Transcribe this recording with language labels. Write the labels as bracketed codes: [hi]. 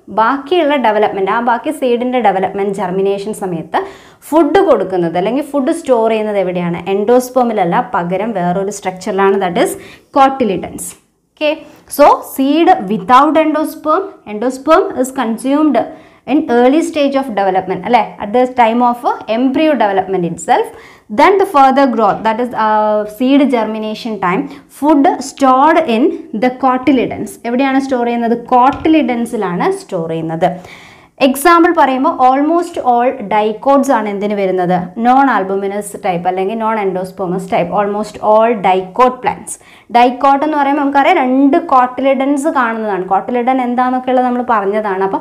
[ml] ബാക്കിയുള്ള ഡെവലപ്മെൻറ്റ്, ആ ബാക്കി സീഡിൻ്റെ ഡെവലപ്മെൻറ്റ് ജെർമിനേഷൻ സമയത്ത് ഫുഡ് കൊടുക്കുന്നത് അല്ലെങ്കിൽ ഫുഡ് സ്റ്റോർ ചെയ്യുന്നത് എവിടെയാണ്, എൻഡോസ്പേമിലല്ല, പകരം വേറൊരു സ്ട്രക്ചറിലാണ്, that is cotyledons. [en] Okay, so seed without endosperm, endosperm is consumed in early stage of development അല്ലേ, at the time of embryo development itself. Then the further growth, that is seed germination time, food stored in the cotyledons. [ml] എവിടെയാണ് store ചെയ്യുന്നത്, കോട്ടിലിഡൻസിലാണ് store ചെയ്യുന്നത്. Example പറയുമ്പോൾ almost all ഡൈക്കോഡ്സ് ആണ് എന്തിന് വരുന്നത്, non albuminous type അല്ലെങ്കിൽ non എൻഡോസ്പേർമസ് type. Almost all dicot plants, dicot എന്ന് പറയുമ്പോൾ നമുക്കറിയാം രണ്ട് കോട്ടിലിഡൻസ് കാണുന്നതാണ്, കോട്ടിലിഡൻ എന്താണെന്നൊക്കെ ഉള്ളത് നമ്മൾ പറഞ്ഞതാണ്.